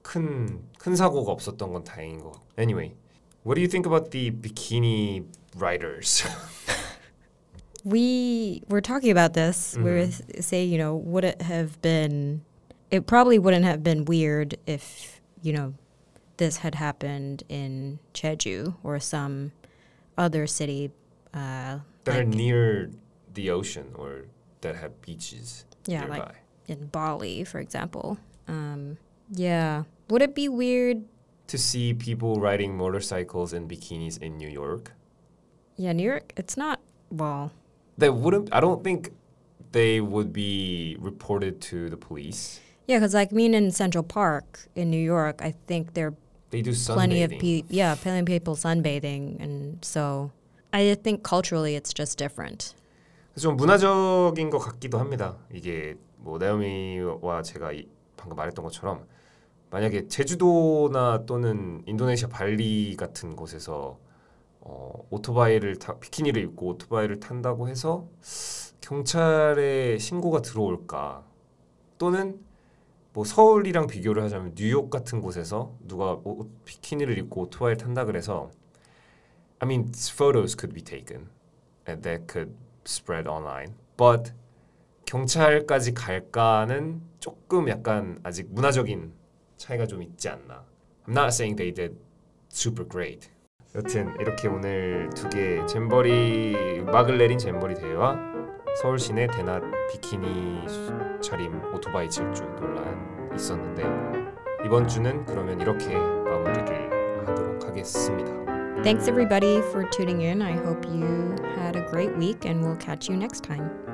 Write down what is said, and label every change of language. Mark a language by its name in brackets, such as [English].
[Korean] 큰 사고가 없었던 건 다행인 것 같고. [English] Anyway, what do you think about the bikini riders? We were talking about this. Mm-hmm. We were saying, you know, would it have been... It probably wouldn't have been weird if, you know, this had happened in Jeju or some other city. That like, are near the ocean or that have beaches yeah, nearby. Like in Bali, for example. Yeah. Would it be weird? To see people riding motorcycles in bikinis in New York? Yeah, New York, it's not, well... They wouldn't, I don't think they would be reported to the police. Yeah, because like, I mean, in Central Park in New York, I think there they do plenty sunbathing. Of people. Yeah, plenty of people sunbathing. And so I think culturally it's just different. [Korean] 좀 문화적인 것 같기도 합니다. 이게 뭐 나오미와 제가 방금 말했던 것처럼 만약에 제주도나 또는 인도네시아 발리 같은 곳에서 오토바이를 타 비키니를 입고 오토바이를 탄다고 해서 경찰에 신고가 들어올까 또는 뭐 서울이랑 비교를 하자면 뉴욕 같은 곳에서 누가 비키니를 입고 오토바이를 탄다 그래서 [English] I mean photos could be taken and that could spread online but [Korean] 경찰까지 갈까는 조금 약간 아직 문화적인 차이가 좀 있지 않나. [English] I'm not saying they did super great. [Korean] 여튼 이렇게 오늘 두 개 잼버리 음악을 내린 잼버리 대회와 서울 시내 대낮 비키니 차림 오토바이 질주 논란 있었는데 이번 주는 그러면 이렇게 마무리를 하도록 하겠습니다. [English] Thanks everybody for tuning in. I hope you had a great week and we'll catch you next time.